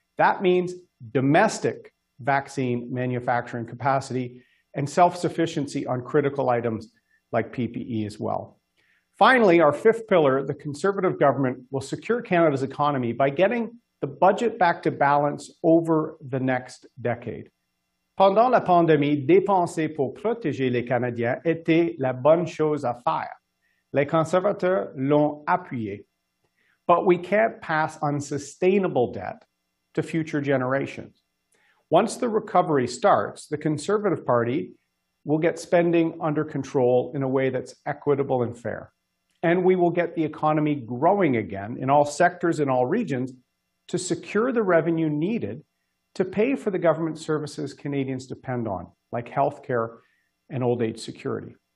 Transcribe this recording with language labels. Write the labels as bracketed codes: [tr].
[en] That means domestic vaccine manufacturing capacity and self-sufficiency on critical items like PPE as well. Finally, our fifth pillar, the Conservative government will secure Canada's economy by getting the budget back to balance over the next decade. [fr] Pendant la pandémie, dépenser pour protéger les Canadiens était la bonne chose à faire. Les conservateurs l'ont appuyé. [en] But we can't pass unsustainable debt to future generations. Once the recovery starts, the Conservative Party will get spending under control in a way that's equitable and fair. And we will get the economy growing again in all sectors and all regions to secure the revenue needed to pay for the government services Canadians depend on, like healthcare and old age security.